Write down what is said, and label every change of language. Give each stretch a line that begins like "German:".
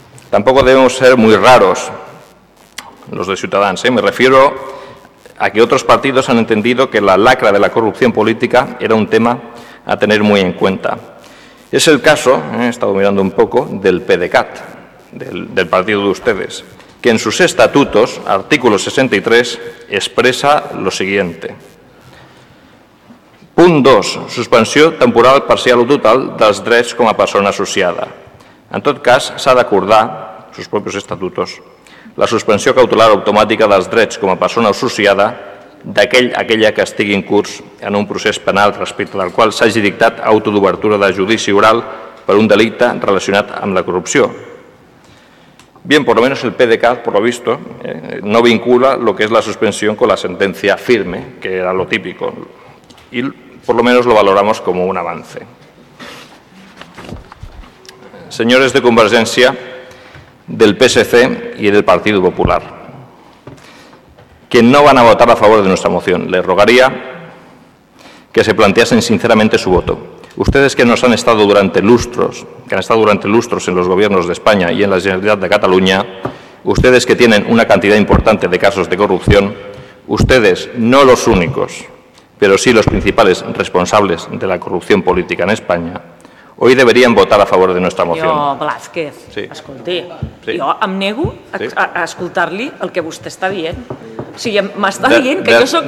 Spanish: Tampoco debemos ser muy raros los de Ciutadans, ¿eh? Me refiero a que otros partidos han entendido que la lacra de la corrupción política era un tema a tener muy en cuenta. Es el caso, he estado mirando un poco, del PDeCAT, del partido de ustedes, que en sus estatutos, artículo 63, expresa lo siguiente.
Catalan: Punt 2. Suspensió temporal, parcial o total dels drets com a persona associada. En tot cas, s'ha d'acordar sus propios estatutos la suspensió cautelar automàtica dels drets com a persona associada d'aquella que estigui en curs en un procés penal respecte del qual s'hagi dictat auto d'obertura de judici oral per un delicte relacionat amb la corrupció.
Spanish: Bien, por lo menos el PDCAT, por lo visto, no vincula lo que es la suspensión con la sentencia firme, que era lo típico, y por lo menos lo valoramos como un avance. Señores de Convergencia, del PSC y del Partido Popular, que no van a votar a favor de nuestra moción, les rogaría que se planteasen sinceramente su voto. Ustedes que nos han estado durante lustros, que han estado durante lustros en los gobiernos de España y en la Generalidad de Cataluña, ustedes que tienen una cantidad importante de casos de corrupción, ustedes no los únicos, pero sí los principales responsables de la corrupción política en España, hoy deberían votar a favor de nuestra moción.
Catalan: Jo, Blázquez, sí. Escolti, sí. Jo em nego a escoltar-li el que vostè està dient. O sigui, m'està dient que jo sóc